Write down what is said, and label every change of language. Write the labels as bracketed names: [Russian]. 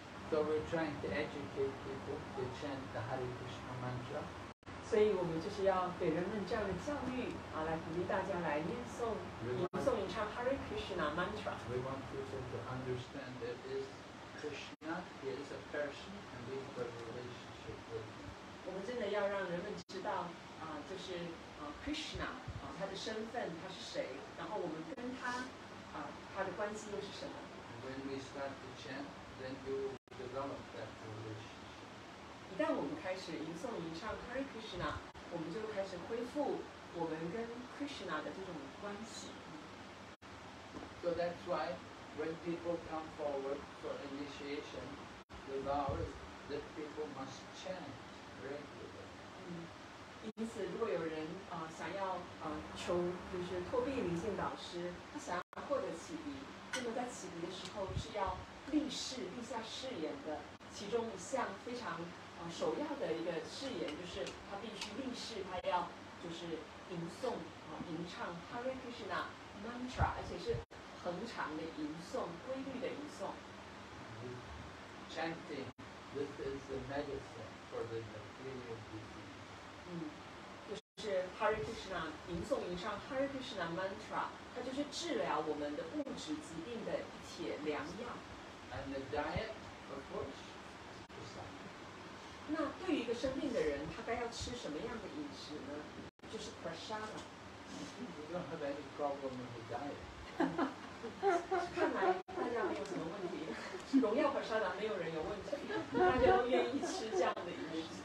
[English] So we're trying to educate people to chant the Hare Krishna mantra。 [Chinese] 所以我们就是要给人们这样的教育啊，来鼓励大家来吟诵一唱 Hare Krishna mantra。 [English] We want people to understand that is Krishna, he is a person and we have a relationship with him。 [Chinese] 我们真的要让人们知道啊，就是Krishna 他的身份，他是谁，然后我们跟他他的关系又是什么。 [English] When we start to chant, then you develop that relationship. [Chinese] 一旦我们开始吟诵吟唱 Hare Krishna, 我们就开始恢复我们跟 Krishna 的这种关系。 [English] So that's why when people come forward for initiation, the law is that people must chant regularly. [Chinese] 因此如果有人想要求就是托庇灵性导师，他想要获得启迪，那么在启迪的时候是要立下誓言的。其中一项非常首要的一个誓言，就是他必须立誓，他要就是吟唱 Hare Krishna mantra， 而且是恒常的吟诵，规律的吟诵。 [English] Chanting, this is the medicine for the material disease. [Chinese] 嗯。是 Hare Krishna 吟诵吟唱 Hare Krishna mantra， 它就是治疗我们的物质疾病的一帖良药。 [English] And the diet, of course, is that. [Chinese] 那对于一个生病的人，他该要吃什么样的饮食呢？就是 prasada。 [English] We don't have any problem with the diet. [Chinese] 看来大家没有什么问题，荣耀 prasada 没有人有问题，大家都愿意吃这样的饮食。